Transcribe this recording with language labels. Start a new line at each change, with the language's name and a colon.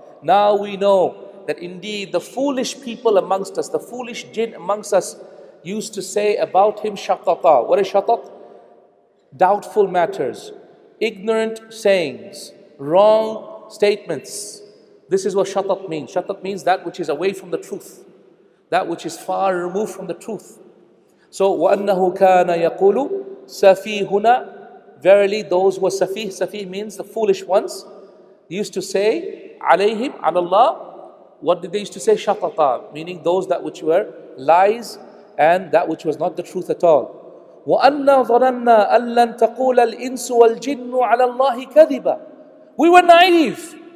English: Now we know that indeed the foolish people amongst us, the foolish jinn amongst us, used to say about him شَطَطًا. What is شَطَط? Doubtful matters, ignorant sayings, wrong statements. This is what shatat means. Shatat means that which is away from the truth, that which is far removed from the truth.
Arabic: So, وَأَنَّهُ كَانَ يَقُولُ سَفِيهُنَا.
English: Verily, those who are safih, safih means the foolish ones, used to say,
Arabic: عَلَيْهِمْ عَلَى اللَّهِ.
English: What did they used to say? شَطَطَا, meaning those that which were lies and that which was not the truth at all.
Arabic: وَأَنَّا ظَنَنَّا أَلَّن تَقُولَ الْإِنسُ وَالْجِنُّ عَلَى اللَّهِ كَذِبًا.
English: We were naive.